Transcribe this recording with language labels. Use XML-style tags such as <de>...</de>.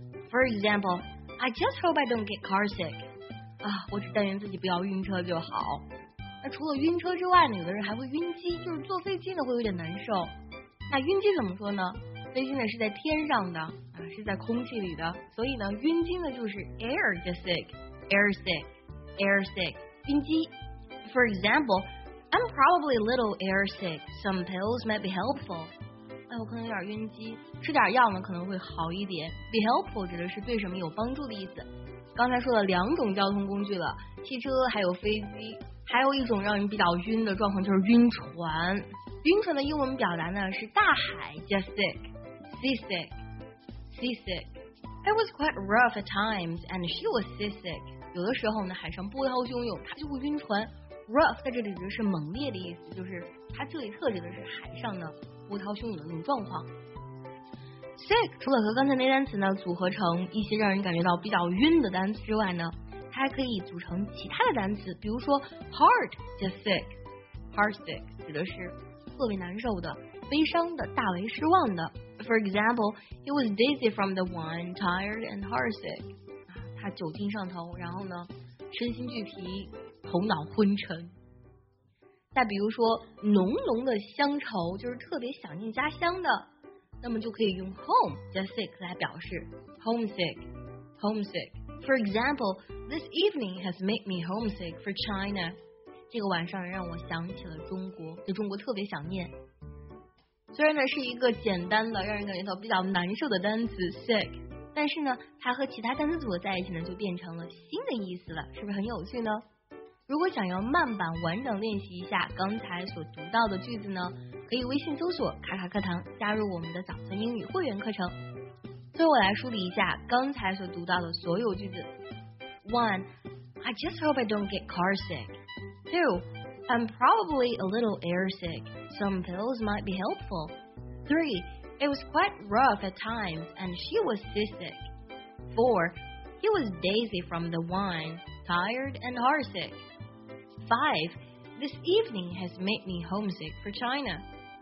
<en>For example， I just hope I don't get car sick。</en> <zh>啊，我只但愿自己不要晕车就好。那除了晕车之外呢，有的人还会晕机，就是坐飞机呢会有点难受。那晕机怎么说呢？飞机呢是在天上的啊，是在空气里的，所以呢晕机呢就是</zh> <en>air just sick， air sick， air sick，</en> <zh>晕机。</zh> <en>For example。 I'm probably a little air sick. Some pills might be helpful.</en> <zh>哎，我可能有点晕机，吃点药呢可能会好一点。</zh> <en>Be helpful</en> <zh>指的是对什么有帮助的意思。刚才说了两种交通工具了，汽车还有飞机，还有一种让人比较晕的状况就是晕船。晕船的英文表达呢是大海 ，</zh> <en>just sick, seasick, seasick. It was quite rough at times, and she was seasick.</en> <zh>有的时候呢海上波涛汹涌，她就会晕船。Rough 在这里指的是猛烈的意思，就是它这里特指的是海上的波涛汹涌的那种状况。 Sick 除了和刚才那单词呢组合成一些让人感觉到比较晕的单词之外呢，它还可以组成其他的单词，比如说</zh> <en>heart just sick， heart sick</en> <zh>指的是特别难受的、悲伤的、大为失望的。</zh> <en>For example， he was dizzy from the wine， tired and heart sick。</en> <zh>他酒精上头，然后呢，身心俱疲。头脑昏沉。再比如说浓浓的乡愁，就是特别想念家乡的，那么就可以用</zh> <en>home just sick</en> <zh>来表示</zh> <en>homesick， homesick。 For example， this evening has made me homesick for China，</en> <zh>这个晚上让我想起了中国，对中国特别想念。虽然呢是一个简单的让人感觉到比较难受的单词 sick， 但是呢它和其他单词组合在一起呢就变成了新的意思了，是不是很有趣呢？如果想要慢版完整练习一下刚才所读到的句子呢，可以微信搜索卡卡课堂加入我们的早餐英语会员课程。最后我来梳理一下刚才所读到的所有句子。</zh> <en>1. I just hope I don't get car sick. 2. I'm probably a little air sick. Some pills might be helpful. 3. It was quite rough at times and she was seasick. 4. He was dizzy from the wine, tired and heart sick. 5. This evening has made me homesick for China.</en>